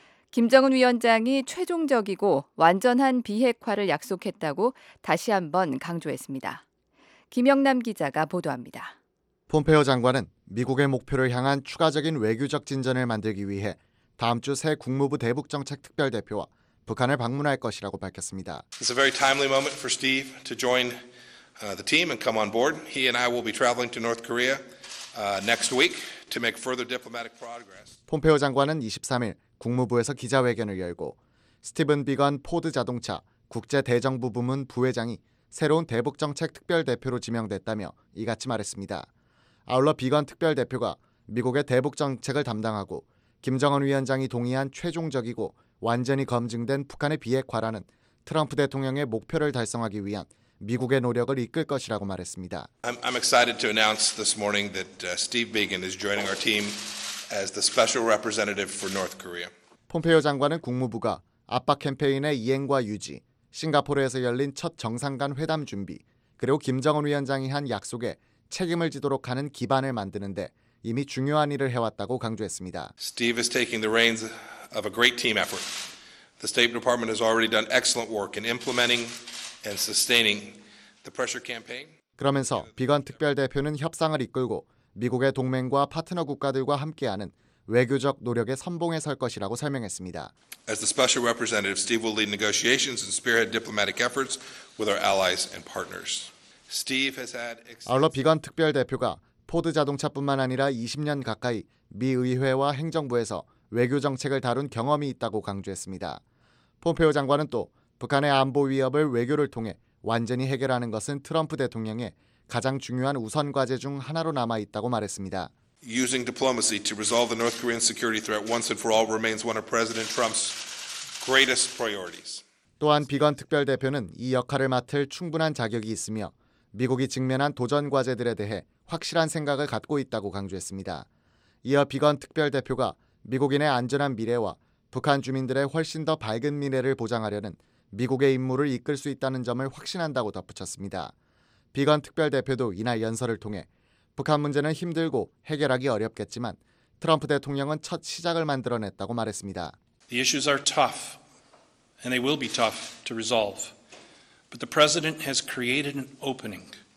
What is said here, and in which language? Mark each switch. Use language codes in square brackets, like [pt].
[ko] 김정은 위원장이 최종적이고 완전한 비핵화를 약속했다고 다시 한번 강조했습니다. 김영남 기자가 보도합니다. 폼페오 장관은 미국의 목표를 향한 추가적인 외교적 진전을 만들기 위해 다음 주 새 국무부 대북정책특별대표와 북한을 방문할 것이라고 밝혔습니다. [en] It's a very timely moment for Steve to join the team and come on board. He and I will be traveling to North Korea next week to make further diplomatic progress. [ko] 폼페오 장관은 23일 국무부에서 기자회견을 열고 스티븐 비건 포드 자동차 국제대정부 부문 부회장이 새로운 대북정책특별대표로 지명됐다며 이같이 말했습니다. 아울러 비건 특별대표가 미국의 대북정책을 담당하고 김정은 위원장이 동의한 최종적이고 완전히 검증된 북한의 비핵화라는 트럼프 대통령의 목표를 달성하기 위한 미국의 노력을 이끌 것이라고 말했습니다. [en] I'm excited to announce this morning that Steve Biegun is joining our team as the special representative for North Korea. [ko] 폼페이오 장관은 국무부가 압박 캠페인의 이행과 유지, 싱가포르에서 열린 첫 정상 간 회담 준비, 그리고 김정은 위원장이 한 약속에 책임을 지도록 하는 기반을 만드는데 이미 중요한 일을 해왔다고 강조했습니다. [en] Steve is taking the reins of a great team effort. The State Department has already done excellent work in implementing and sustaining the pressure campaign. [ko] 그러면서 비건 특별대표는 협상을 이끌고 미국의 동맹과 파트너 국가들과 함께하는 외교적 노력의 선봉에 설 것이라고 설명했습니다. [en] As the special representative, Steve will lead negotiations and spearhead diplomatic efforts with our allies and partners. Steve has had. [ko] 아울러 비건 특별대표가 포드 자동차뿐만 아니라 20년 가까이 미 의회와 행정부에서 외교 정책을 다룬 경험이 있다고 강조했습니다. 폼페오 장관은 또 북한의 안보 위협을 외교를 통해 완전히 해결하는 것은 트럼프 대통령의 가장 중요한 우선 과제 중 하나로 남아 있다고 말했습니다. [en] Using diplomacy to resolve the North Korean security threat once and for all remains one of President Trump's greatest priorities. [ko] 또한 비건 특별대표는 이 역할을 맡을 충분한 자격이 있으며 미국이 직면한 도전 과제들에 대해 확실한 생각을 갖고 있다고 강조했습니다. 이어 비건 특별대표가 미국인의 안전한 미래와 북한 주민들의 훨씬 더 밝은 미래를 보장하려는 미국의 임무를 이끌 수 있다는 점을 확신한다고 덧붙였습니다. 비건 특별대표도 이날 연설을 통해 북한 문제는 힘들고 해결하기 어렵겠지만 트럼프 대통령은 첫 시작을 만들어냈다고 말했습니다. [en] The issues are tough and they will be tough to resolve. But the president has created an opening